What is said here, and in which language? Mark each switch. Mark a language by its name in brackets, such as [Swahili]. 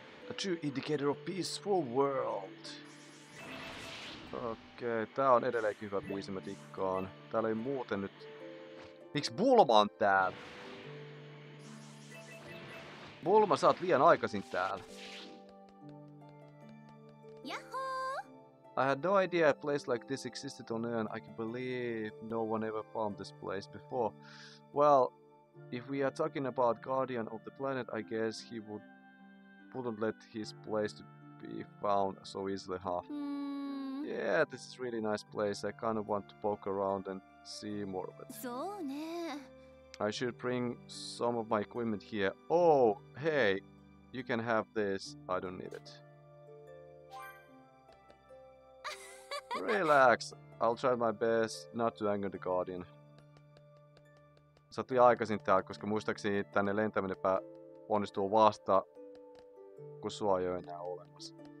[English] A true indicator of peaceful world. [Finnish] Okei, tää on edelleenkin hyvä biisi, mä tikkaan. Täällä ei muuten nyt... Miksi Bulma on täällä? Bulma, sä oot liian aikaisin täällä. [English] I had no idea a place like this existed on Earth. I can believe no one ever found this place before. Well, if we are talking about guardian of the planet, I guess he wouldn't let his place to be found so easily, huh? Mm. Yeah, this is really nice place. I kind of want to poke around and see more of it. [Finnish] So, ne. [English] I should bring some of my equipment here. Oh, hey, you can have this. I don't need it. Relax. I'll try my best not to anger the guardian. [Finnish] Sä tuli aikaisin täällä, koska muistaakseni tänne lentäminenpä onnistuu vasta, kun sua ei ole enää olemassa.